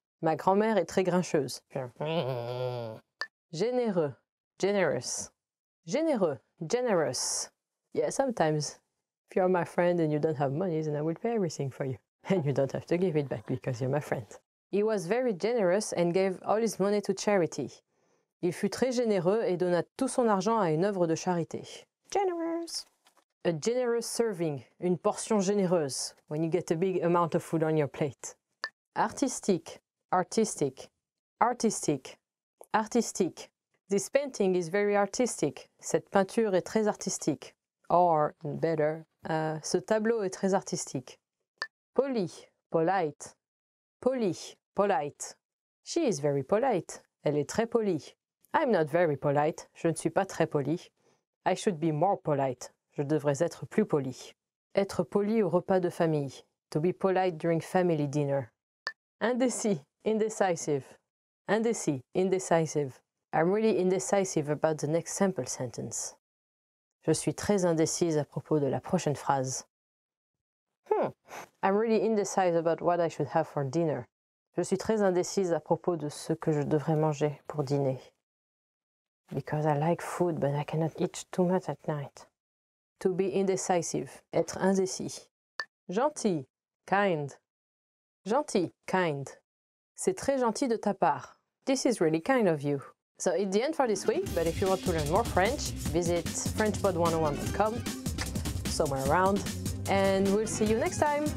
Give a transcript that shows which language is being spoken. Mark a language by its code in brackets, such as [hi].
[fr] Ma grand-mère est très grincheuse. Généreux, generous. [en] Généreux, generous. Yeah, sometimes. If you're my friend and you don't have money, then I will pay everything for you. And you don't have to give it back because you're my friend. He was very generous and gave all his money to charity. [fr] Il fut très généreux et donna tout son argent à une œuvre de charité. [en] Generous. A generous serving, [fr] une portion généreuse, [en] when you get a big amount of food on your plate. Artistic, artistic, artistic, artistic. This painting is very artistic. [fr] Cette peinture est très artistique. Or, better, ce tableau est très artistique. [en] Poli, polite. Poli, polite. She is very polite. [fr] Elle est très polie. [en] I'm not very polite. [fr] Je ne suis pas très polie. [en] I should be more polite. [fr] Je devrais être plus polie. Être poli au repas de famille. [en] To be polite during family dinner. Indécis, indecisive. Indécis, indecisive. I'm really indecisive about the next sample sentence. [fr] Je suis très indécise à propos de la prochaine phrase. [en] I'm really indecisive about what I should have for dinner. [fr] Je suis très indécise à propos de ce que je devrais manger pour dîner. [en] Because I like food, but I cannot eat too much at night. To be indecisive, [fr] être indécis. [en] Gentil, kind. [fr] Gentil, kind. C'est très gentil de ta part. [en] This is really kind of you. So it's the end for this week, but if you want to learn more French, visit FrenchPod101.com, somewhere around, and we'll see you next time.